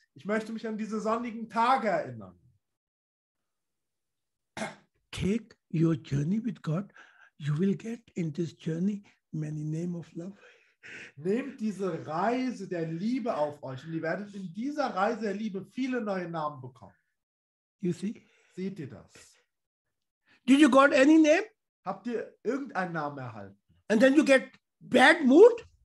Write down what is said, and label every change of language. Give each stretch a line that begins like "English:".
German: Ich möchte mich an diese sonnigen Tage erinnern.
English: Take your journey with God. You will get in this journey many name of love.
German: Nehmt diese Reise der Liebe auf euch und ihr werdet in dieser Reise der Liebe viele neue Namen bekommen.
English: You see?
German: Seht ihr das?
English: Did you got any name?
German: Habt ihr irgendeinen Namen erhalten?
English: And then you get bad mood?